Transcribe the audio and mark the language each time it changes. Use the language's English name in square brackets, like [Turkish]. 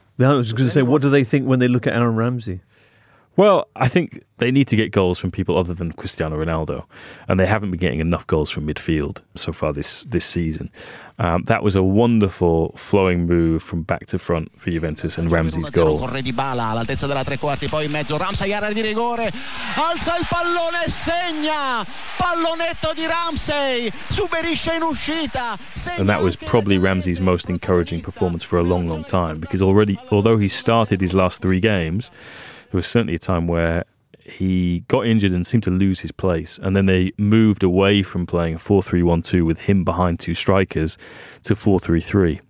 [English] I was just going to say, what do they think when they look at Aaron Ramsey? Well, I think they need to get goals from people other than Cristiano Ronaldo, and they haven't been getting enough goals from midfield so far this season. That was a wonderful flowing move from back to front for Juventus and Ramsey's goal. [Italian] Corre Dybala all'altezza della tre quarti, poi in mezzo Ramsey, area di rigore, alza il pallone e segna. Pallonetto di Ramsey, subisce in uscita. [English] And that was probably Ramsey's most encouraging performance for a long, long time, because already, although he started his last three games, there was certainly a time where he got injured and seemed to lose his place. And then they moved away from playing 4-3-1-2 with him behind two strikers to 4-3-3.